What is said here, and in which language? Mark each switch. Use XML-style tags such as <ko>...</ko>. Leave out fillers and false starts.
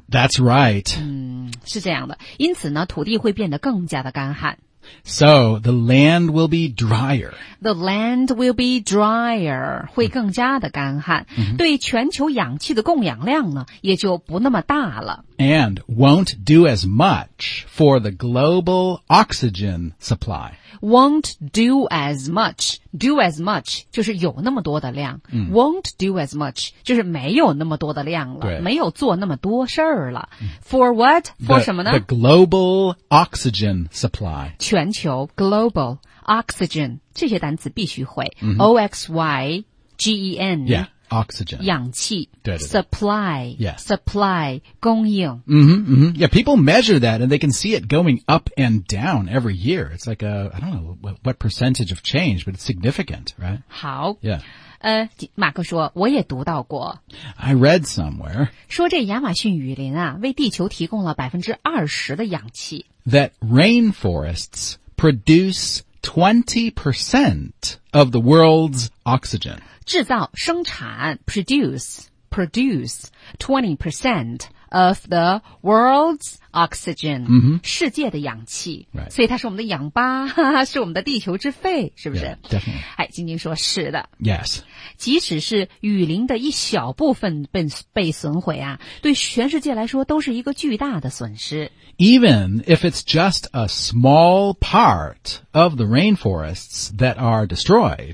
<en>That's right.</en> <zh>嗯是这样的。因此呢土地会变得更加的干旱。</zh> <en>So, the land will be drier. The land will be drier.</en> <zh>会更加的干旱。 Mm-hmm. 对全球氧气的供氧量呢也就不那么大了。</zh> <en>And won't do as much for the global oxygen supply. Won't do as much. Do as much,</en> <zh>就是有那么多的量。 Mm-hmm.</zh> <en>Won't do as much,</en> <zh>就是没有那么多的量了。对。没有做那么多事儿了。</zh> <en>Mm-hmm. For what? For 什么呢? The global oxygen supply.</en> <zh>全球 global oxygen 这些单词必须会、 mm-hmm.</zh> <en>oxygen yeah oxygen</en> <zh>氧气对对对</zh> <en>supply yeah</en> <zh>supply 供应 mm-hmm.</zh> <en>yeah people measure that and they can see it going up and down every year it's like a I don't know what percentage of change but it's significant right</en> <zh>好</zh> <en>yeah</en> <zh>马克说我也读到过</zh> <en>I read somewhere</en> <zh>说这亚马逊雨林啊为地球提供了 20% 的氧气</zh> <en>That rainforests produce 20% of the world's oxygen</en> <zh>制造生产</zh> <en>produce 20% of the world's oxygen、 mm-hmm.</en> <zh>世界的氧气、</zh> <en>right.</en> <zh>所以它是我们的氧吧是我们的地球之肺是不是</zh> <en>yeah, definitely.</en> <zh>哎，晶晶说是的</zh> <en>Yes.</en> <zh>即使是雨林的一小部分被损毁啊，对全世界来说都是一个巨大的损失</zh> <en>Even if it's just a small part of the rainforests that are destroyed</en>